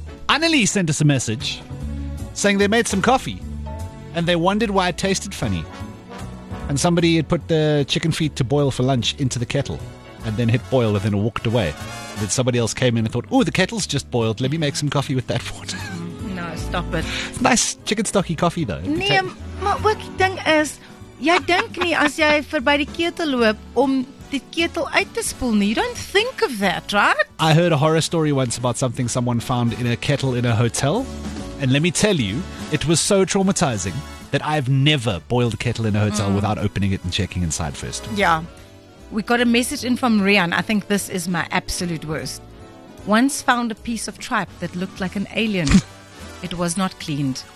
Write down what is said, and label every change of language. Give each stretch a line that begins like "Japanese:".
English: Annalie sent us a message saying they made some coffee and they wondered why it tasted funny. And somebody had put the chicken feet to boil for lunch into the kettle and then hit boil and then walked away. And then somebody else came in and thought, ooh, the kettle's just boiled. Let me make some coffee with that water. No, stop it. Nice chicken stocky coffee though.
Afrikaans: Nee, maar ook die ding is, jy dink nie as jy verby die ketel loop om die ketel uit te spoel nie.
English: You don't think of that, right? I heard a horror story once about something someone found in a kettle in a hotel. And let me tell you, it was so traumatizing that I've never boiled a kettle in a hotel without opening it and checking inside first. Yeah. We got a message in from Rian. I think this is my absolute worst. Once found a piece of tripe that looked like an alien. It was not cleaned.